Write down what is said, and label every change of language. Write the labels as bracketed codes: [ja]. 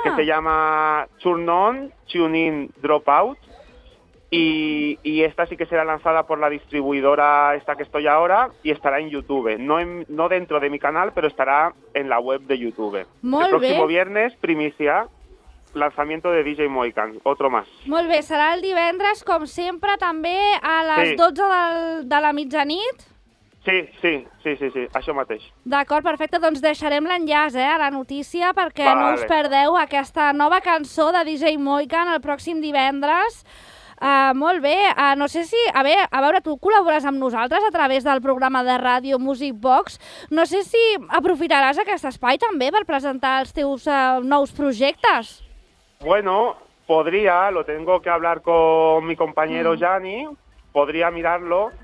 [es] que se llama Turn On, Tune In, Drop Out, y esta sí que será lanzada por la distribuidora esta que estoy ahora y estará en YouTube, no dentro de mi canal, pero estará en la web de YouTube. [ca] Molt [es] el próximo [ca] bé. [es] Viernes, primicia, lanzamiento de DJ Moican, otro más. [ca] Molt bé, serà el divendres, com sempre, també a les sí. 12 de la mitjanit. Sí, això mateix. D'acord, perfecte, doncs deixarem l'enllaç a la notícia perquè vale. no us perdeu aquesta nova cançó de DJ Moican el pròxim divendres. Molt bé, no sé si, a veure, tu col·labores amb nosaltres a través del programa de ràdio Music Box, no sé si aprofitaràs aquest espai també per presentar els teus nous projectes. [es] Bueno, podria, lo tengo que hablar con mi compañero Gianni, podría mirarlo.